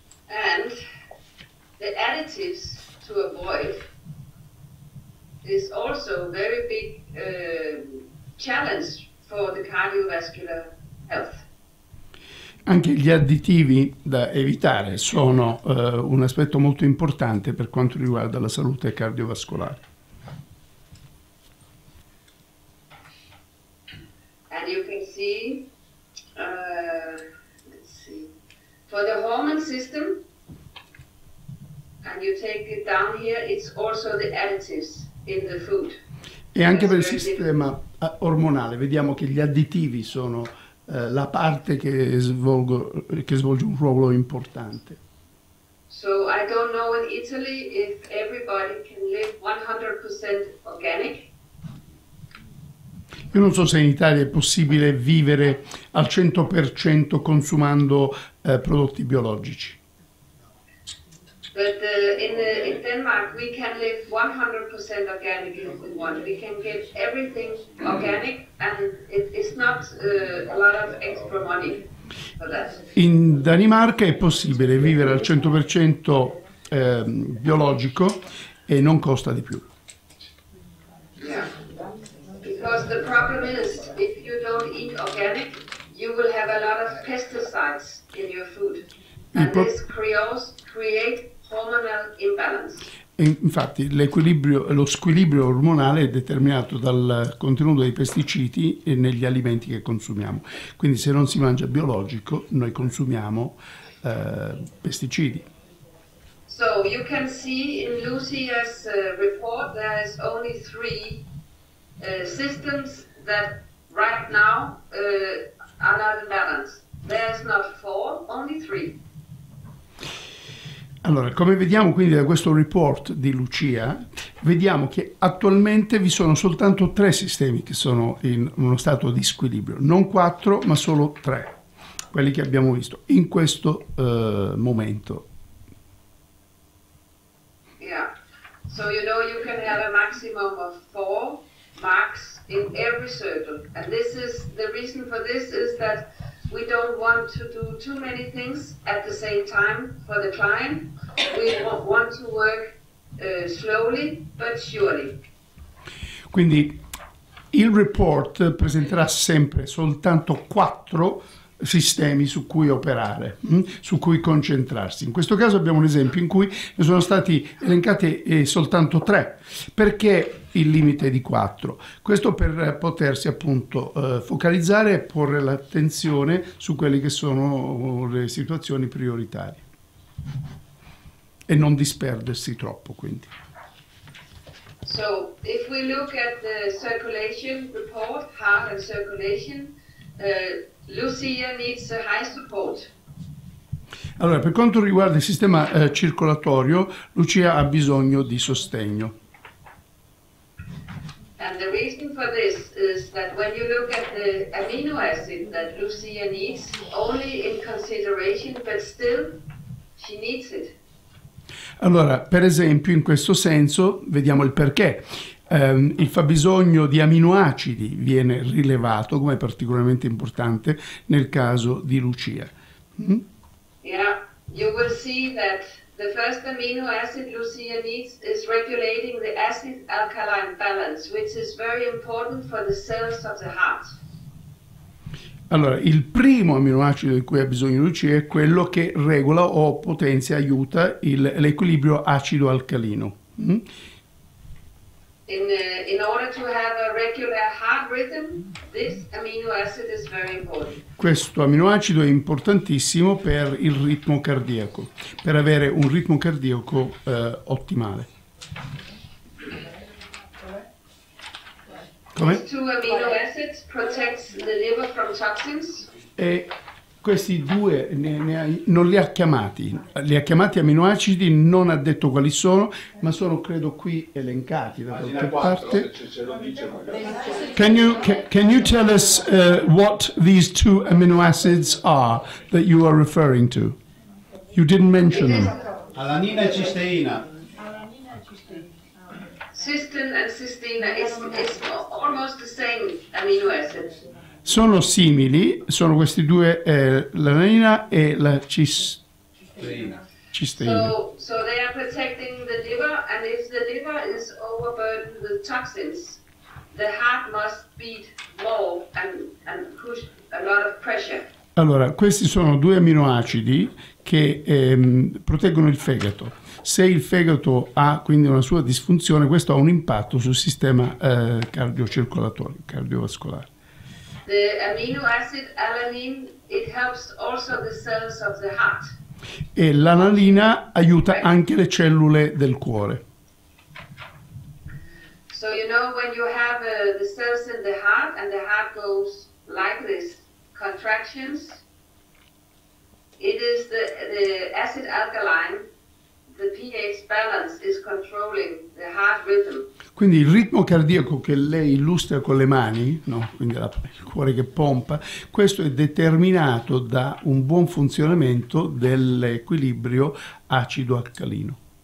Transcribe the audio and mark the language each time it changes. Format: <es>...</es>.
<en>And the additives to avoid is also very big challenge for the cardiovascular health.</en> <it>Anche gli additivi da evitare sono un aspetto molto importante per quanto riguarda la salute cardiovascolare.</it> <en>And you can see, let's see, for the hormone system, and you take it down here, it's also the additives in the food.</en> <it>E anche per il sistema ormonale, vediamo che gli additivi sono la parte che svolge un ruolo importante.</it> <en>So I don't know in Italy if everybody can live 100% organic.</en> <it>Io non so se in Italia è possibile vivere al 100% consumando prodotti biologici.</it> <en>But in Denmark we can live 100% organic if we want. We can get everything organic and it's not a lot of extra money for that.</en> <it>In Danimarca è possibile vivere al 100% biologico e non costa di più.</it> <en>Yeah. Because the problem is if you don't eat organic, you will have a lot of pesticides in your food. And this create hormonal imbalance.</en> <it>Infatti l'equilibrio, lo squilibrio ormonale è determinato dal contenuto dei pesticidi negli alimenti che consumiamo. Quindi se non si mangia biologico, noi consumiamo pesticidi.</it> <en>So you can see in Lucia's report there is only three systems that right now are not in balance. There's not four, only three.</en> <it>Allora, come vediamo quindi da questo report di Lucia, vediamo che attualmente vi sono soltanto tre sistemi che sono in uno stato di squilibrio, non quattro, ma solo tre, quelli che abbiamo visto in questo momento.</it> <en>Yeah. So you know you can have a maximum of four marks in every circle. And this is the reason for this is that we don't want to do too many things at the same time for the client. We want to work slowly but surely.</en> <it>Quindi il report presenterà sempre soltanto quattro sistemi su cui operare, su cui concentrarsi. In questo caso abbiamo un esempio in cui ne sono stati elencati soltanto tre. Perché il limite di quattro? Questo per potersi appunto focalizzare e porre l'attenzione su quelle che sono le situazioni prioritarie e non disperdersi troppo, quindi.</it> <en>So, if we look at the circulation report, heart and circulation, Lucia needs a high support.</en> <it>Allora, per quanto riguarda il sistema circolatorio, Lucia ha bisogno di sostegno.</it> <en>And the reason for this is that when you look at the amino acid that Lucia needs, only in consideration, but still she needs it.</en> <it>Allora, per esempio, in questo senso, vediamo il perché. Il fabbisogno di aminoacidi viene rilevato come particolarmente importante nel caso di Lucia.</it> <en>Yeah, you will see that the first amino acid Lucia needs is regulating the acid-alkaline balance, which is very important for the cells of the heart.</en> <it>Allora, il primo amminoacido di cui ha bisogno Lucia è quello che regola o potenzia, aiuta l'equilibrio acido-alcalino.</it> <en>In order to have a regular heart rhythm, this amino acid is very important.</en> <it>Questo amminoacido è importantissimo per il ritmo cardiaco, per avere un ritmo cardiaco ottimale. Come?</it> <en>These two amino acids protect the liver from toxins.</en> <it>E questi due non li ha chiamati, li ha chiamati amminoacidi, non ha detto quali sono, ma sono credo qui elencati da qualche parte.</it> <en>Can you tell us what these two amino acids are that you are referring to? You didn't mention them.</en> <it>Alanina e cisteina.</it> <en>Cystine and cysteine is almost the same amino acids.</en> <it>Sono simili, sono questi due, l'alanina e la cisteina.</it> <en>So they are protecting the liver, and if the liver is overburdened with toxins, the heart must beat more and push a lot of pressure.</en> <it>Allora, questi sono due aminoacidi che proteggono il fegato. Se il fegato ha quindi una sua disfunzione, questo ha un impatto sul sistema cardiocircolatorio, cardiovascolare.</it> <en>The amino acid alanine, it helps also the cells of the heart.</en> <it>E l'alanina aiuta anche le cellule del cuore.</it> <en>So you know when you have the cells in the heart and the heart goes like this, contractions, it is the acid alkaline, the pH balance is controlling the heart rhythm.</en> <it>Quindi il ritmo cardiaco che lei illustra con le mani, no? Quindi il cuore che pompa, questo è determinato da un buon funzionamento dell'equilibrio acido-alcalino.</it>